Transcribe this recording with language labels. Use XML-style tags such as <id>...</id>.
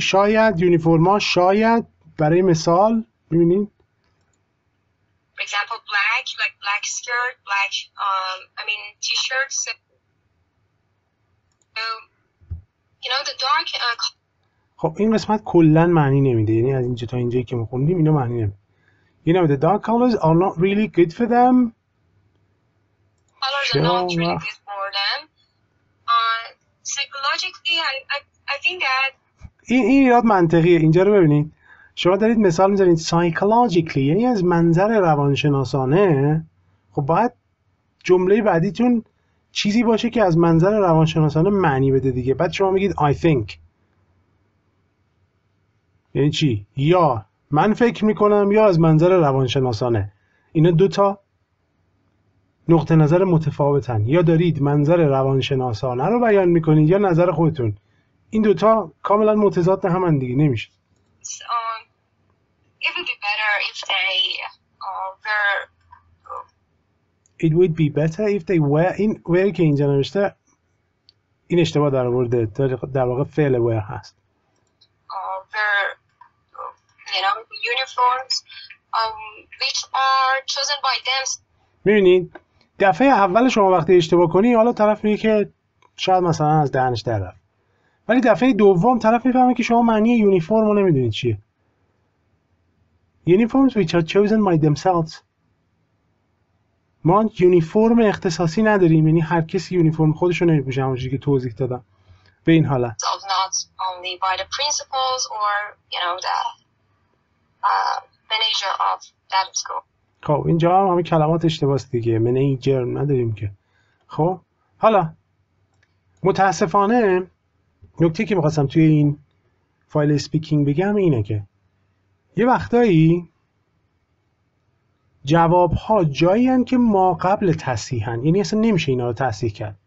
<fa>شاید یونیفورما، شاید برای مثال میبینین.</fa> <en>For example, black, like black skirt, black, t-shirts. You know, the dark.</en> <fa>خب این قسمت کلن معنی نمیده، یعنی از اینجا تا اینجایی که میخوندیم اینو معنی نمیده.</fa> <en>You know, the dark colors are not really good for them. Colors are not really good for them. Psychologically, I think that.</en> <fa>این ایراد منطقیه، اینجا رو ببینید. شما دارید مثال میزنید psychologically، یعنی از منظر روانشناسانه. خب باید جمله بعدیتون چیزی باشه که از منظر روانشناسانه معنی بده دیگه. بعد شما میگید</fa> <en>I think.</en> <fa>یعنی چی؟ یا من فکر میکنم یا از منظر روانشناسانه. اینا دوتا نقطه نظر متفاوتن. یا دارید منظر روانشناسانه رو بیان میکنید یا نظر خودتون. این دوتا کاملا متضاد همان دیگه، نمیشه.</fa> <en>It would be better if they were. It would be better if they were.</en> <fa>این where که اینجا نوشته این اشتباه در آورده، در واقع فعل where هست.</fa> <en>Their, you know, uniforms, which are chosen by them.</en> <fa>می‌بینید دفعه اول شما وقتی اشتباه کنی، حالا طرف میگه که شاید مثلا از دهنش در رفت. ولی دفعه دوم طرف میفهمه که شما معنی یونیفرم رو نمیدونید چیه.</fa> <en>Uniforms which are chosen by themselves.</en> <fa>ما یونیفرم اختصاصی نداریم، یعنی هر کسی یونیفرم خودش رو نمیپوشه، همونجوری که توضیح دادم. به این حالت.</fa> <en>Not only by the principals or you know the manager of that school.</en> <fa>خب اینجا هم همه کلمات اشتباس دیگه، منیجر نداریم که. خب حالا متاسفانه نکته که میخواستم توی این فایل سپیکینگ بگم اینه که یه وقتایی جوابها جایی هن که ما قبل تصحیح هن، یعنی اصلا نمیشه اینا رو تصحیح کرد.</fa>